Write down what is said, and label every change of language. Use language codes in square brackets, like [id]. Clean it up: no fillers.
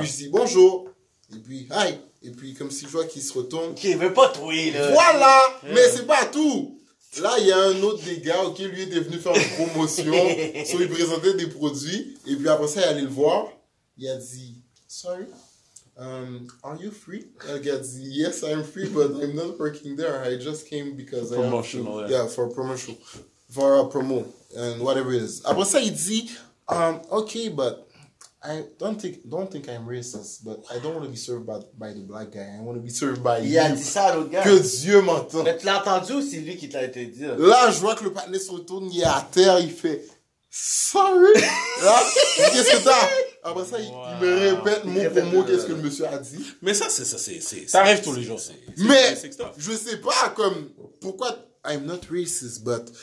[fr] Et puis, je dis bonjour. Et puis, hi. Et puis, comme si je vois qu'il se retourne. Ok, mais pas toi, là. Voilà. Mais c'est pas tout. Là, il y a un autre des gars, ok, lui, est venu faire une promotion. So, il présentait des produits. Et puis, après ça, il allait le voir. [en] Il a dit, sorry. Are you free? Yes, I'm free, but I'm not working there. I just came because I have to, for a promotion, for a promo and whatever it is. [fr] Après ça, il dit, [en] okay, but I don't think I'm racist, but I don't want to be served by the black guy. I want to be served by [fr] il Il a dit ça à l'autre gars. Que Dieu m'entende. Mais tu l'as entendu ou c'est lui qui t'a été dit? Là, je vois que le panier se retourne, il est à terre, il fait, sorry. Là, qu'est-ce que c'est ça? Après ça, wow. Il me répète mot pour mot qu'est-ce que le monsieur a dit. Mais ça arrive tous les jours. Mais je sais pas, comme, pourquoi... [en] I'm not racist, but...